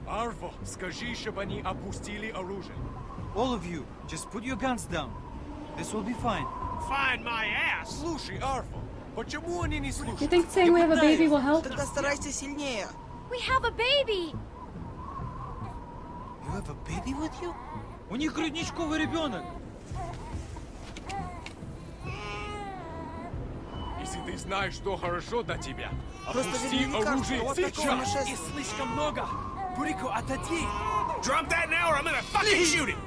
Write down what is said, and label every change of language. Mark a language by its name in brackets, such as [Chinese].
[Russian] Арво, скажи, чтобы они опустили оружие. [English] All of you, just put your guns down. This will be fine. Find my ass! [Russian] Слушай, Арво! Почему они не слушают? [English] You think saying we have a baby will help? [Russian] Тогда старайся сильнее. [English] We have a baby! You have a baby with you? [Russian] У них грудничковый ребенок! Если ты знаешь, что хорошо для тебя, опусти оружие сейчас! И слишком много! Бурико, отойди! [English] Drop that now or I'm gonna fucking shoot it!